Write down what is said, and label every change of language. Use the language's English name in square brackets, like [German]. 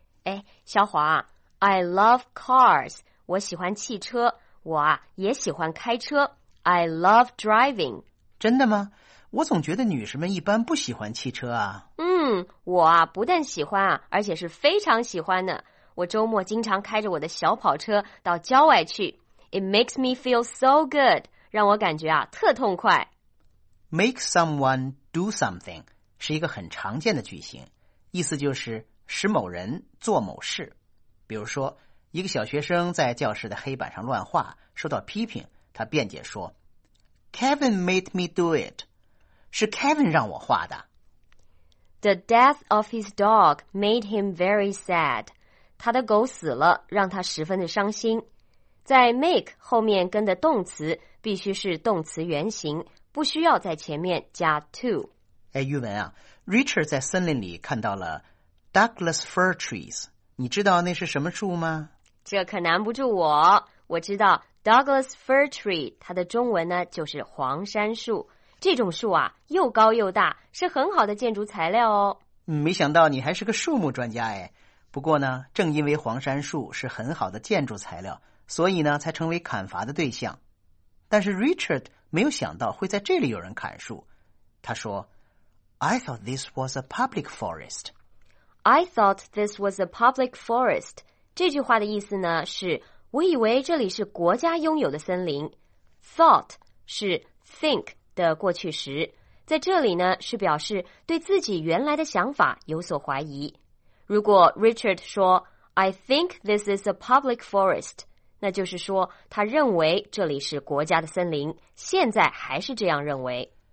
[Chinese] 哎，小华， [English] I love cars， [Chinese] 我喜欢汽车，我啊也喜欢开车， [English] I love driving。 [Chinese] 真的吗？我总觉得女士们一般不喜欢汽车啊。我啊不但喜欢啊，而且是非常喜欢的。我周末经常开着我的小跑车到郊外去。 [English] It makes me feel so good， [Chinese] 让我感觉啊特痛快。 [English] Make someone do something [Chinese] 是一个很常见的句型，意思就是使某人做某事。比如说，一个小学生在教室的黑板上乱画，受到批评，他辩解说 ： [English] “Kevin made me do it。” [Chinese] 是 Kevin 让我画的。 [English] The death of his dog made him very sad. [Chinese] 他的狗死了，让他十分的伤心。在 make 后面跟的动词必须是动词原形，不需要在前面加 to。哎，玉文啊 ，Richard 在森林里看到了 Douglas fir trees， 你知道那是什么树吗？这可难不住我。我知道 Douglas fir tree， 它的中文呢就是黄杉树。这种树啊又高又大，是很好的建筑材料哦。没想到你还是个树木专家哎。不过呢，正因为黄杉树是很好的建筑材料，所以呢才成为砍伐的对象。但是 Richard 没有想到会在这里有人砍树。 [English] 他说 I thought this was a public forest. I thought this was a public forest. [Chinese] 这句话的意思呢是我以为这里是国家拥有的森林。 Thought 是 think的过去时，在这里呢是表示对自己原来的想法有所怀疑。如果 Richard 说 [English] I think this is a public forest， [Chinese] 那就是说他认为这里是国家的森林，现在还是这样认为。